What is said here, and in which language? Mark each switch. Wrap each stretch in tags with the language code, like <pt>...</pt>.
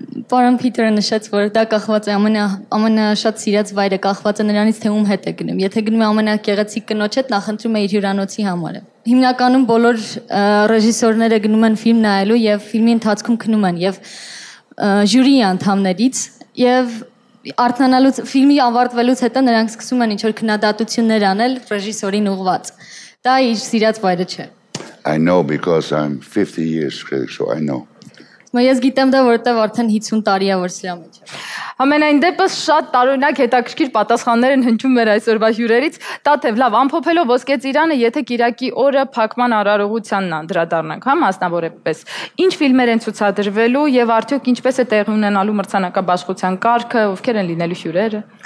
<hy>Պարոն Փիթերը նշեց, որ դա կախված է ամենաշատ սիրած վայրը, կախված է նրանից, թե ում հետ է գնում։ Եթե գնում է ամենագեղեցիկ կնոջ հետ, նա խնդրում է իր հյուրանոցի համարը։ Հիմնականում բոլոր ռեժիսորները գնում են ֆիլմ նայելու եւ ֆիլմի ընթացքում քնում են եւ ժյուրի անդամներից եւ արտանալուց ֆիլմի ավարտվելուց հետո նրանք սկսում են ինչ-որ քննադատություններ անել ռեժիսորին ուղված։ Դա իր սիրած վայրը չէ։</hy> <en>I know because I'm 50 years critic, so I know.</en> <hy>Մայես գիտեմ դա, որովհետև արդեն 50 տարի է որ սրա մեջ։ Համենայն դեպս շատ տարօրինակ հետաքրքիր պատասխաններ են հնչում մեր այսօրվա հյուրերից։ Տաթև, լավ, ամփոփելով Ոսկե ծիրանը, եթե Կիրակի օրը փակման արարողությանն անդրադառնանք, հա, մասնավորապես, ի՞նչ ֆիլմեր են ցուցադրվելու եւ արդյոք ինչպես է տեղի ունենալու մրցանակաբաշխության կարգը, ովքեր են լինելու հյուրերը։</hy>